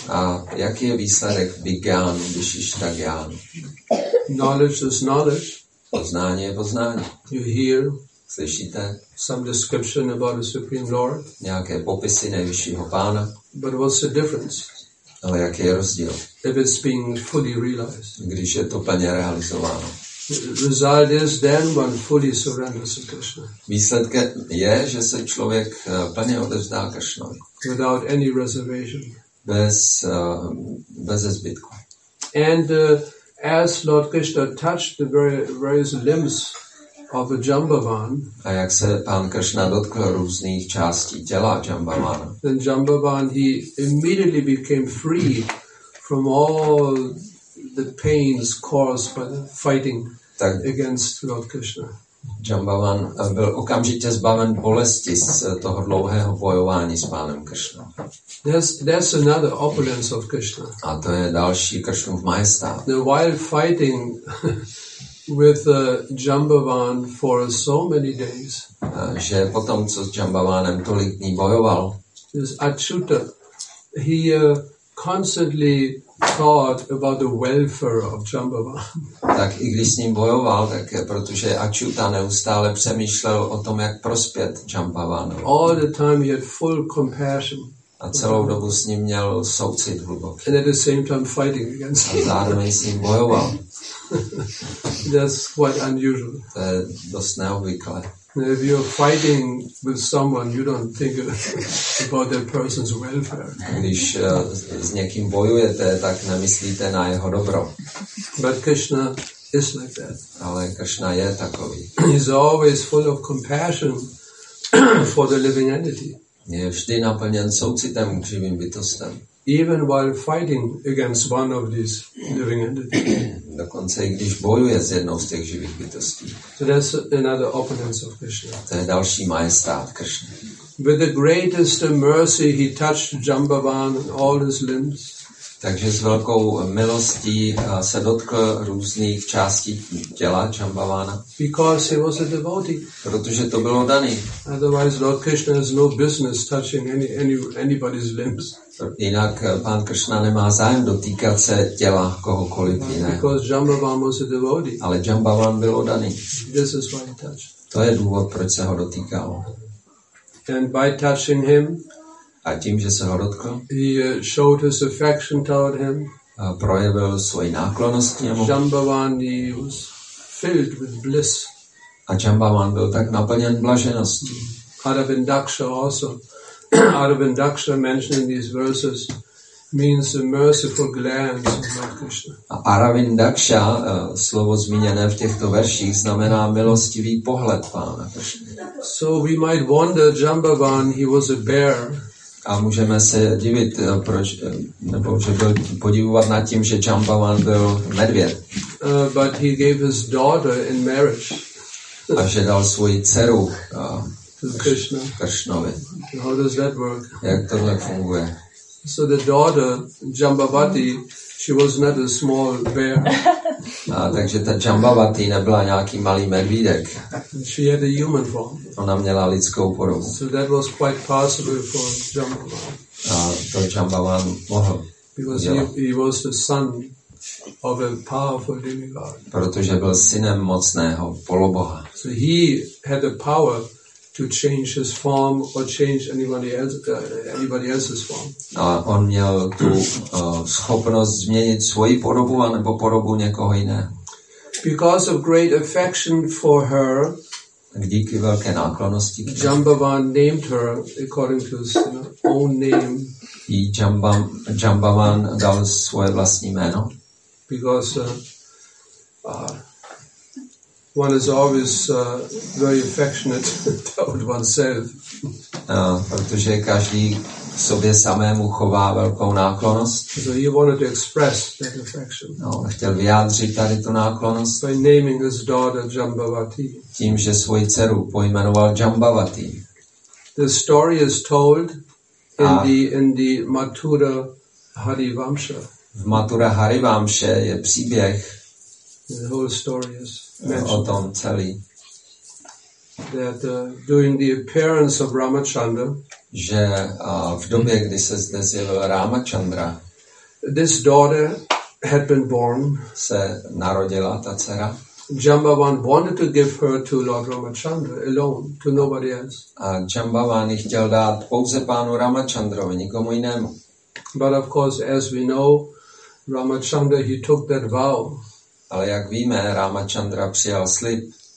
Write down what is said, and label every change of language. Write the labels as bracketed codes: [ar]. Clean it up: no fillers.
[cs] A jaký je výsledek Vigyan, Vishishta Gyan? [en] Knowledge is knowledge. [cs] Poznání je poznání. [en] You hear. [cs] Slyšíte? [en] Some description about the Supreme Lord. [cs] Nějaké popisy nejvyššího pána. [en] But what's the difference? [cs] Ale jaký je rozdíl? [en] If it's being fully realized. [cs] Když je to plně realizováno. [en] Result is then one fully surrenders to Krishna. [cs] Výsledkem je, že se člověk plně odevzdá Krishnovi. [en] Without any reservation. [cs] bez zbytku. [en] And as Lord Krishna touched the various limbs of the Jambavan, [cs] a jak se pán Krishna dotkl různých částí těla Jambavana, [en] then Jambavan, he immediately became free from all the pains caused by the fighting against Lord Krishna. [cs] Jambavan byl okamžitě zbaven bolesti z toho dlouhého bojování s pánem Krishna. [en] That's another opulence of Krishna. [cs] A to je další Krishnův majestát. [en] The wild fighting with Jambavan for so many days. [cs] Že potom, co s Jambavanem tolik dní bojoval, [en] this Achyuta, he constantly thought about the welfare of Jambavan. [cs] Tak i když s ním bojoval, tak protože Achyuta neustále přemýšlel o tom, jak prospět Jambavanu. [en] All the time he had full compassion. [cs] A celou dobu s ním měl soucit hluboký. [en] And at the same time fighting against him. [cs] A zároveň s ním bojoval. [en] That's quite unusual. [cs] To je dost neobvyklé. [en] If you're fighting with someone, you don't think about that person's welfare. [cs] Když s někým bojujete, tak nemyslíte na jeho dobro. [en] But Krishna is like that. [cs] Ale Krishna je takový. [en] He's always full of compassion for the living entity. [cs] Je vždy naplněn soucitem k živým bytostem. [en] Even while fighting against one of these living entities. [cs] Dokonce i když bojuje s jednou z těch živých bytostí. [en] So that's another opulence of Krishna. [cs] To je další majestát Krishna. [en] With the greatest mercy he touched Jambavan and all his limbs. [cs] Takže s velkou milostí se dotkl různých částí těla Jambavana. [en] Because he was a devotee. [cs] Protože to bylo daný. [en] Otherwise Lord Krishna has no business touching anybody's limbs. [cs] Jinak pán Krishna nemá zájem dotýkat se těla kohokoliv jiného. [en] Because Jambavan was a devotee. [cs] Ale Jambavan byl daný. [en] This is why he touched. [cs] To je důvod, proč se ho dotýkal. [en] And by touching him, [cs] a tím, že se ho dotkl, [en] he showed his affection toward him. [cs] A projevil svoji náklonnost k němu. [en] Jambavan was filled with bliss. [cs] A Jambavan byl tak naplněn blažeností. [en] Aravindaksha also. Aravindaksha mentioned in these verses means the merciful glance of Lord Krishna. [cs] A Aravindaksha, slovo zmíněné v těchto verších, znamená milostivý pohled pána Krishna. [en] So we might wonder, Jambavan, he was a bear. [cs] A můžeme se divit, proč, nebo že byl podivovat nad tím, že Jambavan byl medvěd. [en] But he gave his daughter in marriage. [cs] A že dal svoji dceru [en] Krishna. [cs] Krishnovi. [en] How does that work? [cs] Jak tohle funguje? [en] So the daughter, Jambavati, she was not a small bear. [cs] A takže ta Jambavati nebyla nějaký malý medvídek. [en] She had a human form. [cs] Ona měla lidskou podobu. [en] So that was quite possible for Jambavan. [cs] A to Jambavan mohl. [en] Because he was the son of a powerful demigod. [cs] Protože byl synem mocného poloboha. [en] So he had the power to change his form or change anybody else's form. [cs] A on měl tu schopnost změnit svoji podobu anebo podobu někoho jiného. [en] Because of great affection for her, [cs] díky velké náklonosti k ní, [en] Jambavan named her according to his own name. [cs] Jí Jambavan dal svoje vlastní jméno. [en] Because one is always very affectionate toward oneself. [cs] Protože každý sobě samému chová velkou náklonost. [en] So he wanted to express that affection. [cs] No, chtěl vyjádřit tady tu náklonost. [en] By naming his daughter Jambavati. [cs] Tím, že svoji dceru pojmenoval Jambavati. [en] The story is told in the Mathura Harivamsha. [cs] V Mathura Harivamsha je příběh. [en] The whole story is [cs] o tom celý. [en] That during the appearance of Ramachandra, [cs] že v době, kdy se zde zjevil Ramachandra, [en] this daughter had been born, [cs] se narodila ta dcera. [en] Jambavan wanted to give her to Lord Ramachandra alone, to nobody else. [cs] A Jambavan ji chtěl dát pouze pánu Ramachandrovi, nikomu jinému. [en] But of course, as we know, Ramachandra, he took that vow. [cs] Ale jak víme, Ramachandra přijal slib,